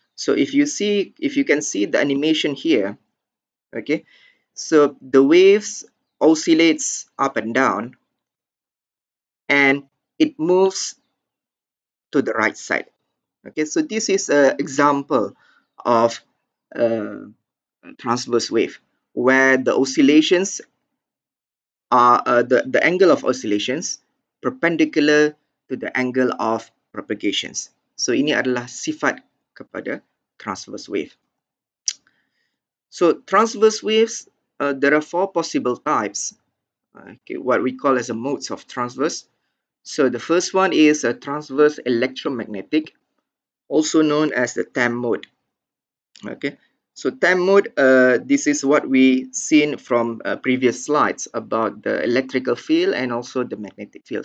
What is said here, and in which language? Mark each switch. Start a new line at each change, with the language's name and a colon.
English: So, if you can see the animation here, okay, so the waves oscillates up and down and it moves to the right side. Okay, so this is an example of a transverse wave where the oscillations are the angle of oscillations perpendicular to the angle of propagations.
Malay: So ini adalah sifat kepada transverse wave.
English: So transverse waves, there are four possible types, okay, what we call as a modes of transverse. So the first one is a transverse electromagnetic, also known as the TEM mode. Okay, so TEM mode, this is what we seen from previous slides about the electrical field and also the magnetic field.